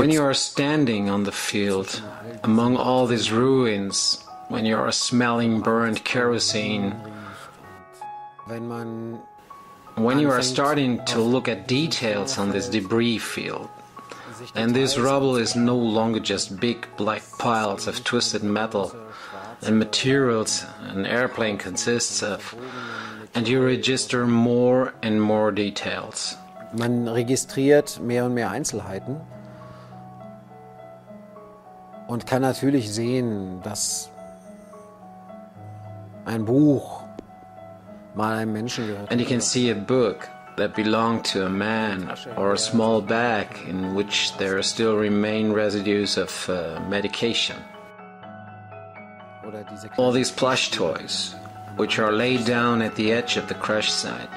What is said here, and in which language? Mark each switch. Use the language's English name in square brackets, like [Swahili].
[English] when you are standing on the field, among all these ruins, when you are smelling burnt kerosene, when you are starting to look at details on this debris field, and this rubble is no longer just big black piles of twisted metal and materials an airplane consists of, and you register more and more details. [German] Man registriert mehr und mehr Einzelheiten und kann natürlich sehen, dass ein Buch mal einem Menschen gehört. [English] And you can see a book that belonged to a man or a small bag in which there still remain residues of medication. All these plush toys, which are laid down at the edge of the crash site.